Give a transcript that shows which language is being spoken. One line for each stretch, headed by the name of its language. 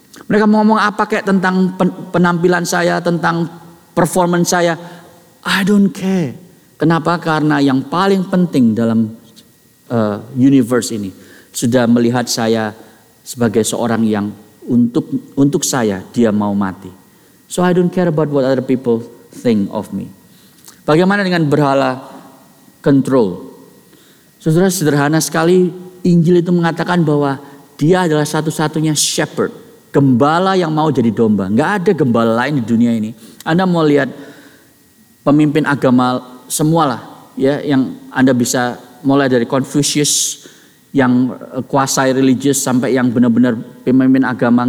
Indonesian: Mereka mau ngomong apa kayak tentang penampilan saya, tentang performance saya,
English: I don't care.
Indonesian: Kenapa? Karena yang paling penting dalam universe ini sudah melihat saya sebagai seorang yang untuk saya dia mau mati.
English: So I don't care about what other people think of me.
Indonesian: Bagaimana dengan berhala control? Saudara, sederhana sekali, Injil itu mengatakan bahwa dia adalah satu-satunya shepherd, gembala yang mau jadi domba. Gak ada gembala lain di dunia ini. Anda mau lihat pemimpin agama semualah, ya, yang Anda bisa mulai dari Confucius yang kuasai religious sampai yang benar-benar pemimpin agama.